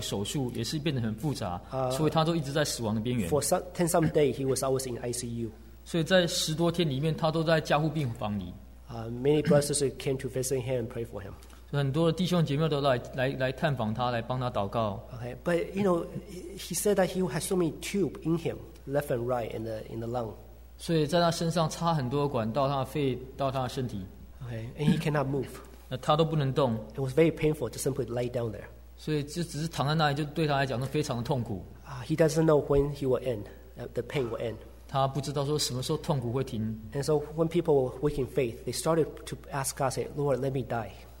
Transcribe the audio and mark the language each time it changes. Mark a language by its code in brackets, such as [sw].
[zh] 所以在那切片完不久以后，他就接着要一个手术，也是变得很复杂，所以他都一直在死亡的边缘。 [en] For some days, he was always in ICU. [zh] 所以在十多天里面，他都在加护病房里。 [en] Many brothers came to visit him, pray for him. [zh] 很多弟兄姐妹都来探访他，来帮他祷告。 [en] Okay, but you know, he said that he had so many tubes in him, left and right in the lung. [zh] 所以在他身上插很多管到他的肺到他的身体。 [en] Okay, and he cannot move. [zh] 那他都不能动。 [en] It was very painful to simply lay down there. [zh] 所以就只是躺在那里，就对他来讲都非常的痛苦。 [en] He doesn't know when he will end, the pain will end. [zh] 他不知道说什么时候痛苦会停。 [en] And so when people were weak in faith, they started to ask God, say, Lord, let me die.